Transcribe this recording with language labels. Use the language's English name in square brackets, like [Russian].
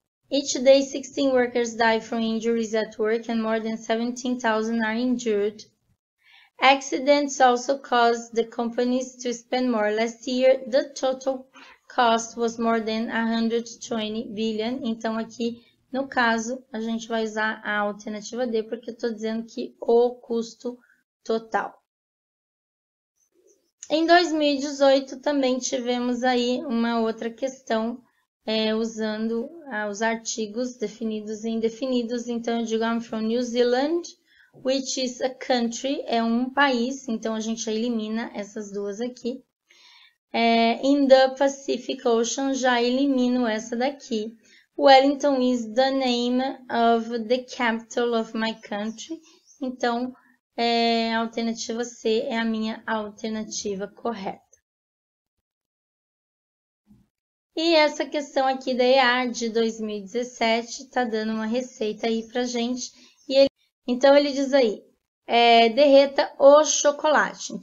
[English] Each day 16 workers die from injuries at work and more than 17,000 are injured. Accidents also caused the companies to spend more. Last year, the total cost was more than 120 billion. [Portuguese] Então, aqui no caso, a gente vai usar a alternativa D, porque eu estou dizendo que o custo total. Em 2018, também tivemos aí uma outra questão, usando os artigos definidos e indefinidos. Então, eu digo, [English] I'm from New Zealand, which is a country, [Portuguese] é um país. Então, a gente elimina essas duas aqui. [English] In the Pacific Ocean, [Portuguese] já elimino essa daqui. [English] Wellington is the name of the capital of my country. [Portuguese] Então, a alternativa C é a minha alternativa correta. E essa questão aqui da EAR de 2017 está dando uma receita aí para a gente. Então, ele diz aí, derreta o chocolate.